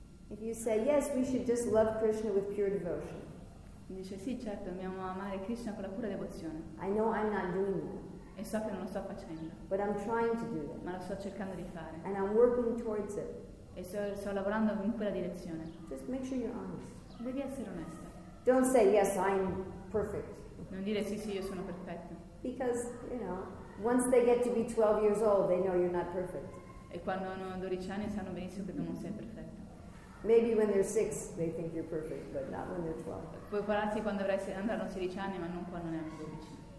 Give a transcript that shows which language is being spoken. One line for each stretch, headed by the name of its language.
English: If you say, yes, we should just love Krishna with pure devotion.
Italian: Dice, sì, certo, dobbiamo amare Krishna con la pura devozione.
English: I know I'm not doing that.
Italian: E so che non lo sto facendo.
English: But I'm trying to do it.
Italian: Ma lo sto cercando di fare.
English: And I'm working towards it.
Italian: E sto lavorando in quella direzione.
English: Just make sure you're honest.
Italian: Devi essere onesta.
English: Don't say, yes, I'm perfect.
Italian: Non dire, sì, sì, io sono perfetto.
English: Because, you know, once they get to be 12 years old, they know you're not perfect.
Italian: E quando hanno 12 anni sanno benissimo che non sei perfetto.
English: Maybe when they're 6 they think you're perfect, but not when they're 12.
Italian: Puoi guardarsi quando avrai 16 anni, ma non quando ne hanno 12.